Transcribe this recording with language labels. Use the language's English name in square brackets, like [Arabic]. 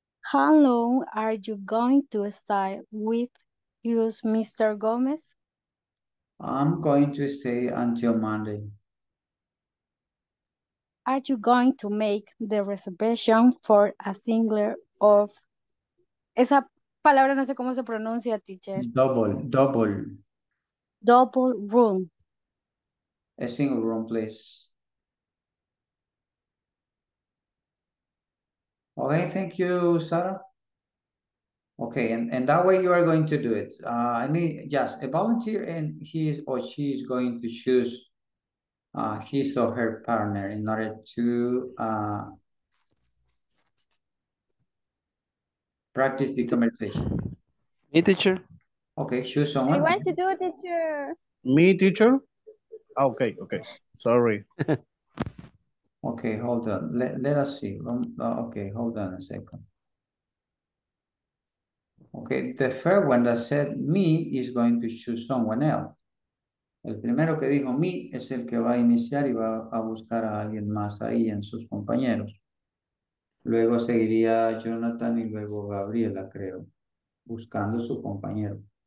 [English] How long are you going to stay with you, Mr. Gomez? I'm going to stay until Monday. Are you going to make the reservation for a single of... [Spanish] Esa palabra no sé cómo se pronuncia, teacher. [English] Double. Double room. A single room, please. Okay, thank you, Sarah. Okay, and that way you are going to do it. I need just a volunteer and he or she is going to choose his or her partner in order to practice the conversation. Me, teacher. Okay, choose someone. I want to do it, teacher. Me, teacher? Okay, okay. Sorry. Okay, hold on. Let us see. Okay, hold on a second. Okay, the first one that said me is going to choose someone else. [Spanish] El primero que dijo me es el que va a iniciar y va a buscar a alguien más ahí en sus compañeros. Luego seguiría Jonathan y luego Gabriela, creo, buscando su compañero.